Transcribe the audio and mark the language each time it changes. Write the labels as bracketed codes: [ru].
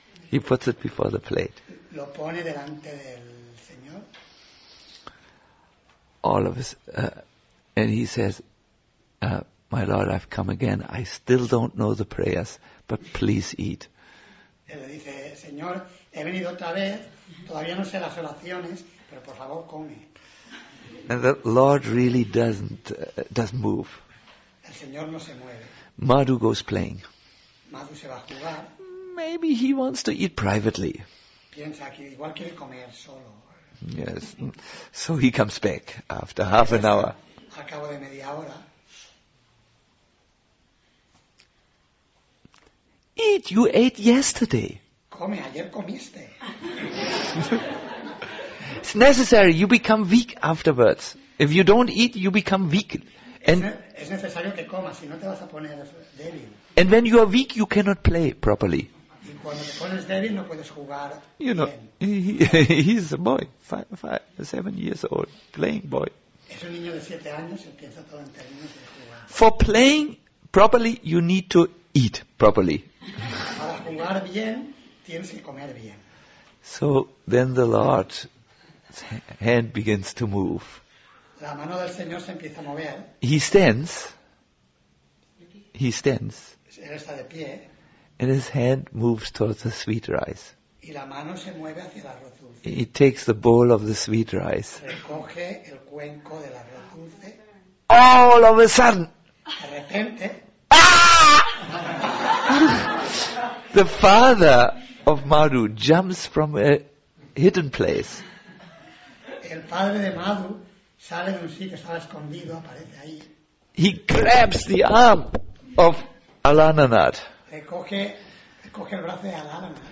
[en] He puts it before the plate. [es] Lo pone delante del Señor. [en] All of us, and he says, my Lord, I've come again. I still don't know the prayers, but please eat. [es] Él le dice, Señor, he venido otra vez, todavía no sé las oraciones, pero por favor, come. [en] And the Lord really doesn't move. [es] El Señor no se mueve. [en] Madhu goes playing. [es] Madhu se va a jugar. [en] Maybe he wants to eat privately. [es] Piensa que igual quiere comer solo. [en] Yes, so he comes back after half an hour. [es] Al cabo de media hora. [en] Eat, you ate yesterday. [es] Come, ayer comiste. [en] It's necessary, you become weak afterwards. If you don't eat, you become weak. [es] Es necesario que comas, si no te vas a poner débil. [en] And when you are weak, you cannot play properly. [es] Y cuando te pones débil, no puedes jugar. [en] You know, [es] bien. [en] He's a boy, seven years old, playing boy. [es] Es un niño de 7 años, empieza todo en términos de jugar. [en] For playing properly, you need to eat properly. [es] Para jugar bien, tienes que comer bien. [en] So then the Lord's hand begins to move. [es] La mano del Señor se empieza a mover. [en] He stands. [es] Él está de pie. [en] And his hand moves towards the sweet rice. [es] Y la mano se mueve hacia el arroz dulce. [en] He takes the bowl of the sweet rice. [es] Recoge el cuenco del arroz dulce. [en] All of a sudden. [es] De repente. [en] The father of Madhu jumps from a hidden place. [es] El padre de Madhu sale de un sitio, estaba escondido, aparece ahí. [en] He grabs the arm of Alananad. [es] Recoge el brazo de Alananad.